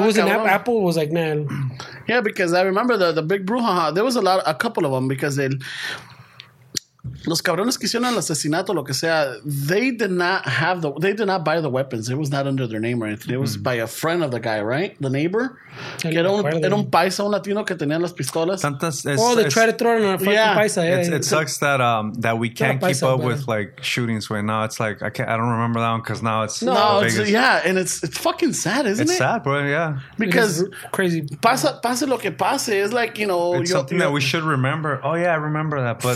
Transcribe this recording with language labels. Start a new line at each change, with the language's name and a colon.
English: It was cabrón. Apple was like, nah. Yeah, because I remember the big brouhaha. There was a couple of them because they.
Spanish: Los cabrones que hicieron el asesinato, lo que sea,
English: they did not buy the weapons. It was not under their name or anything. It was by a friend of the guy, right? The neighbor.
Spanish: Era un paisa, un latino que tenía las pistolas.
English: They tried to throw it in a fucking paisa. Yeah. It sucks that that we can't keep up with like shootings. Right now, it's like I don't remember that one because now it's and it's fucking sad, isn't it's it? It's sad, bro. Yeah, because crazy.
Spanish: Pase lo que pase. It's like
English: it's something that we should remember. Oh yeah, I remember that. But